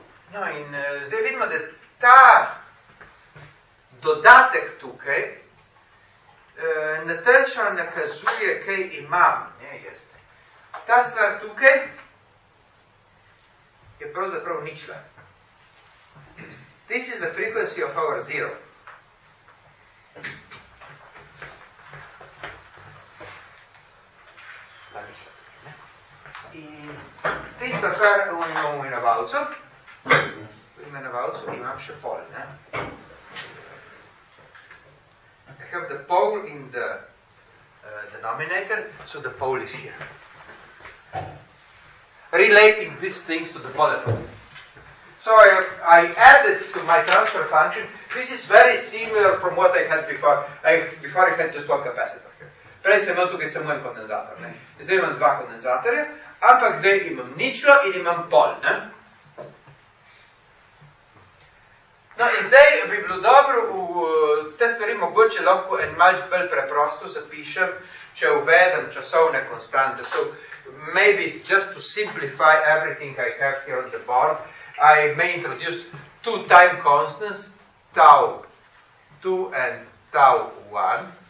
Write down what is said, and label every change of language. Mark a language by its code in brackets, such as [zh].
[sl] No in zdaj vidimo, da ta dodatek tukaj natrčno nakazuje, kaj imam. Ne, jeste. Ta stvar tukaj je pravzaprav ničla. [en] This is the frequency of our zero. [sl] In tisto, kar imamo v imenovalcu imam še pol. Ne? [en] Have the pole in the denominator, so the pole is here. Relating these things to the polynomial. So I added to my transfer function, this is very similar from what I had before. Before I had just one capacitor here. [sl] Prej sem imel tukaj samo en kondenzator. Zdaj imam dva kondenzatorja, ampak zdaj imam ničlo in imam pol. Ne? No, in zdaj bi bilo dobro, te stvari mogoče lahko en malč bolj preprosto zapišem, če uvedem časovne konstante. [en] So, maybe just to simplify everything I have here on the board, I may introduce two time constants, tau 2 and tau 1.